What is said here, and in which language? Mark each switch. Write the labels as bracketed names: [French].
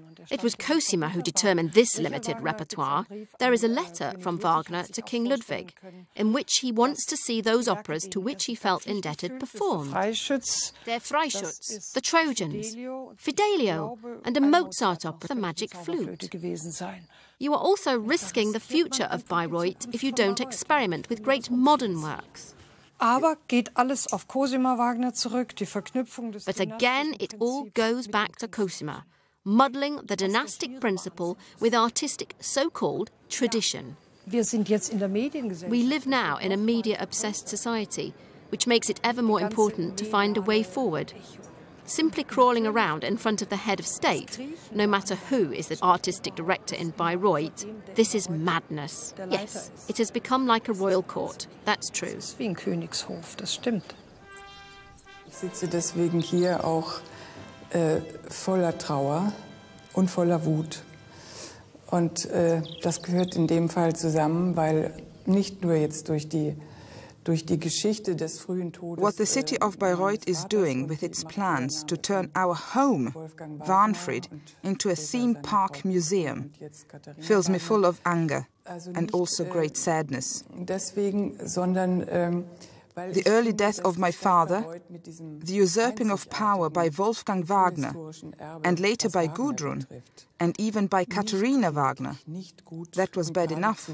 [English] It was Cosima who determined this limited repertoire. There is a letter from Wagner to King Ludwig, in which he wants to see those operas to which he felt indebted performed. Der Freischütz, the Trojans, Fidelio, and a Mozart opera, the Magic Flute. You are also risking the future of Bayreuth if you don't experiment with great modern works. [German] Aber geht alles auf Cosima Wagner zurück, die Verknüpfung des [English] But again, it all goes back to Cosima, muddling the dynastic principle with artistic so-called tradition. We live now in a media-obsessed society, which makes it ever more important to find a way forward. Simply crawling around in front of the head of state, no matter who is the artistic director in Bayreuth, this is madness. Yes, it has become like a royal court. That's true. [German] Es ist wie ein Königshof, das stimmt. Ich sitze deswegen hier auch voller Trauer und voller Wut. Und das gehört in dem Fall zusammen, weil nicht nur jetzt durch die [English] What the city of Bayreuth is doing with its plans to turn our home, Wahnfried, into a theme park museum fills me full of anger and also great sadness. The early death of my father, the usurping of power by Wolfgang Wagner and later by Gudrun and even by Katharina Wagner, that was bad enough.